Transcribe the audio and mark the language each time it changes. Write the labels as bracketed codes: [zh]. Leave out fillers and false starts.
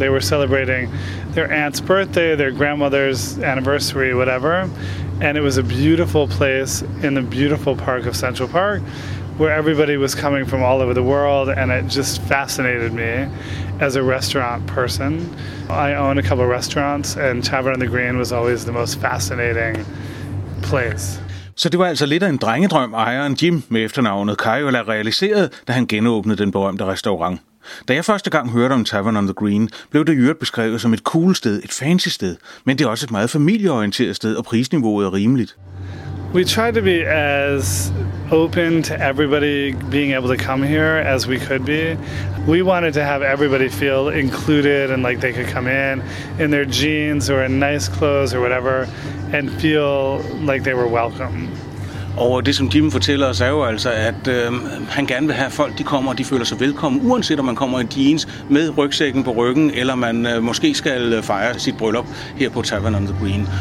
[en] They were celebrating their aunt's birthday, their grandmother's anniversary, whatever, and it was a beautiful place in the beautiful park of Central Park where everybody was coming from all over the world, and it just fascinated me as a restaurant person. I own a couple of restaurants, and Tavern on the Green was always the most fascinating place. [da] Så det var altså lidt af en drengedrøm, ejeren Jim med efternavnet Kajola realiseret, da han genåbnede den berømte restaurant. Da jeg første gang hørte om Tavern on the Green, blev det øvrigt beskrevet som et cool sted, et fancy sted, men det er også et meget familieorienteret sted, og prisniveauet er rimeligt. [en] We tried to be as open to everybody being able to come here as we could be. We wanted to have everybody feel included and like they could come in their jeans or in nice clothes or whatever and feel like they were welcome. [da] Og det, som Jim fortæller os, er jo altså, at han gerne vil have folk, de kommer, og de føler sig velkommen, uanset om man kommer i jeans med rygsækken på ryggen, eller man måske skal fejre sit bryllup her på Tavern on the Green.